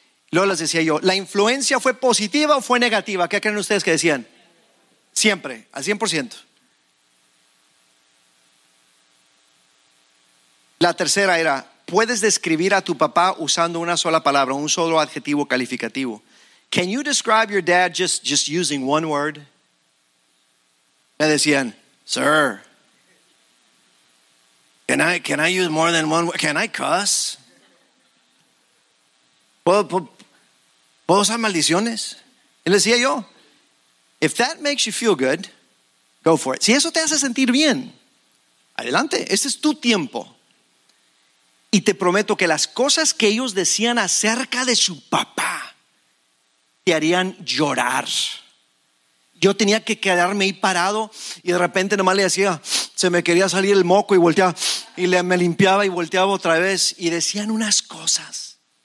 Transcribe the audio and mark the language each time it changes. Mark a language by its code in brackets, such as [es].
[es] Luego les decía yo, ¿la influencia fue positiva o fue negativa? ¿Qué creen ustedes que decían? Siempre, al 100%. La tercera era: ¿puedes describir a tu papá usando una sola palabra, un solo adjetivo calificativo? [en] Can you describe your dad just using one word? [es] Me decían: [en] sir, can I use more than one word? Can I cuss? [es] ¿Puedo usar maldiciones? Y le decía yo: [en] if that makes you feel good, go for it. [es] Si eso te hace sentir bien, adelante, este es tu tiempo. Y te prometo que las cosas que ellos decían acerca de su papá te harían llorar. yo tenía que quedarme ahí parado y de repente nomás le decía, se me quería salir el moco y volteaba y me limpiaba y volteaba otra vez y decían unas cosas.